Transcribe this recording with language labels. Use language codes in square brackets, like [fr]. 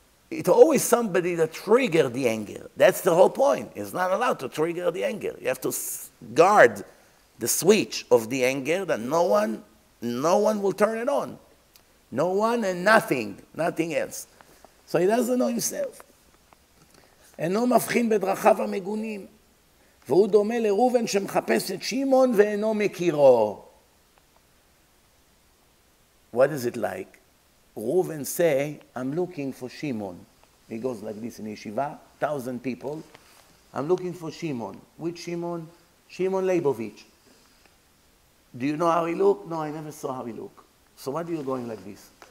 [en] It's always somebody that triggers the anger. That's the whole point. It's not allowed to trigger the anger. You have to guard the switch of the anger that no one will turn it on. No one and nothing, nothing else. So he doesn't know himself. [he] אינו מבחין בדרכיו המגונים, והוא דומה לרובן שמחפש את שימון ואינו מכירו. [en] What is it like? רובן say, I'm looking for שימון. He goes like this in Yeshiva, 1,000 people. I'm looking for שימון. Which שימון? שימון לייבוביץ'. Do you know how he look? No, I never saw how he look. So why are you going like this?